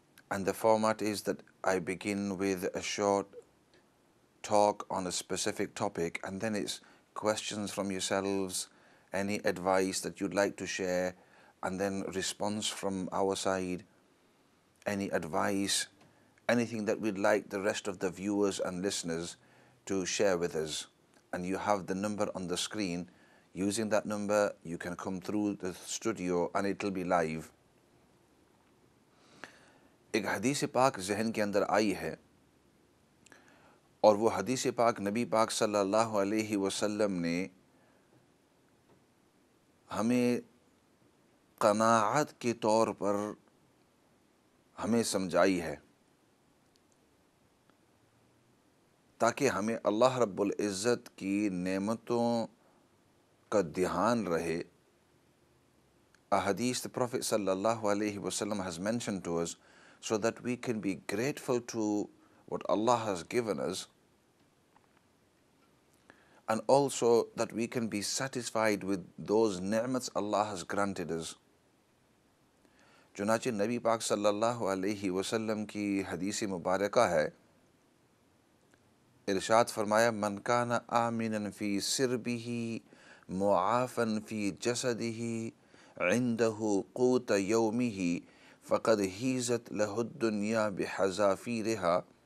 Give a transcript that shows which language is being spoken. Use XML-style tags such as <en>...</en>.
<en>and the format is that I begin with a short talk on a specific topic and then it's questions from yourselves, any advice that you'd like to share and then response from our side, any advice, anything that we'd like the rest of the viewers and listeners to share with us. And you have the number on the screen. Using that number you can come through the studio and it'll be live.</en> <ur>Ek hadith paak zehen ke andar aayi hai اور وہ حدیث پاک نبی پاک صلی اللہ علیہ وسلم نے ہمیں قناعت کے طور پر ہمیں سمجھائی ہے تاکہ ہمیں اللہ رب العزت کی نعمتوں کا دھیان رہے احادیث</ur> <en>the prophet صلی اللہ علیہ وسلم has mentioned to us so that we can be grateful to what Allah has given us and also that we can be satisfied with those ni'mats Allah has granted us.</en> <ur>چنانچہ نبی پاک صلی اللہ علیہ وسلم کی حدیث مبارکہ ہے ارشاد فرمایا</ur> <ar>من کان آمنا فی سربہ معافا فی جسدہ عندہ قوت یومہ فقد ہیزت لہ الدنیا بحذافیرہا</ar>